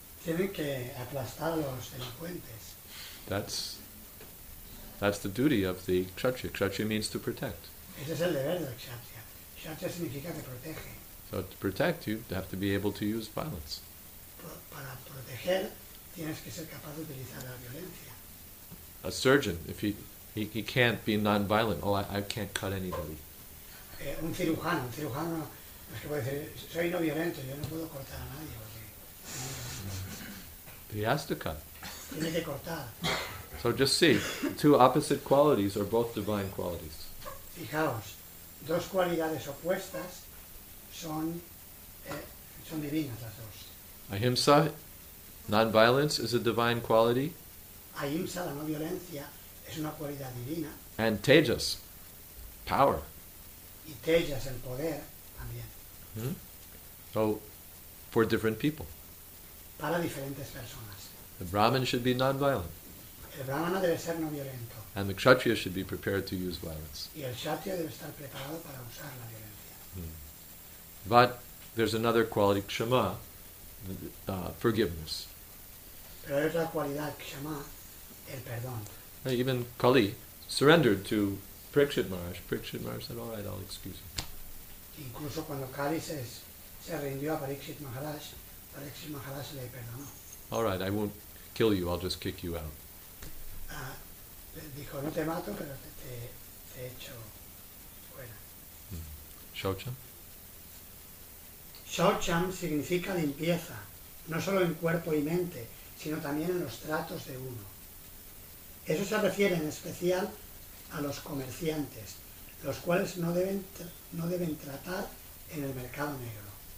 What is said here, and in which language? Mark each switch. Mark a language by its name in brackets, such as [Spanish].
[Spanish] Tienen que aplastar a los delincuentes. [English] That's the duty of the kshatriya. Kshatriya means to protect. [Spanish] Ese es el deber del kshatriya. Kshatriya significa que protege. [English] So to protect, you have to be able to use violence. [Spanish] Para proteger, tienes que ser capaz de utilizar la violencia. [English] A surgeon, if he can't be non-violent, oh, I can't cut anybody. [Spanish] Un cirujano, es que puede decir, soy no violento, yo no puedo cortar a nadie. [English] He has to cut. [Spanish] Tiene que cortar. [English] So just see, two opposite qualities are both divine qualities. [Spanish] Fijaos, dos cualidades opuestas son divinas las dos. [English] Ahimsa, non-violence, is a divine quality. [Spanish] Ahimsa, la no violencia, es una cualidad divina. [English] And tejas, power. [Spanish] Y tejas, el poder, también. Mm-hmm. [English] So, for different people. [Spanish] Para diferentes personas. [English] The Brahman should be non-violent. [Spanish] El Brahmana debe ser no violento. [English] And the Kshatriya should be prepared to use violence. [Spanish] Y el Kshatriya debe estar preparado para usar la violencia. Mm. [English] But there's another quality, Kshama, forgiveness. [Spanish] Pero hay otra cualidad, Kshama, el perdón. [English] And even Kali surrendered to Parikshit Maharaj. Parikshit Maharaj said, all right, I'll excuse you. [Spanish] Incluso cuando Kali se rindió a Parikshit Maharaj, Parikshit Maharaj le perdonó. [English] All right, I won't kill you, I'll just kick you out. [Spanish] Dijo, no te mato, pero te echo fuera. Shaucham? Shaucham significa limpieza, no solo en cuerpo y mente, sino también en los tratos de uno. Eso se refiere en especial a los comerciantes, los cuales no deben tratar en el mercado negro.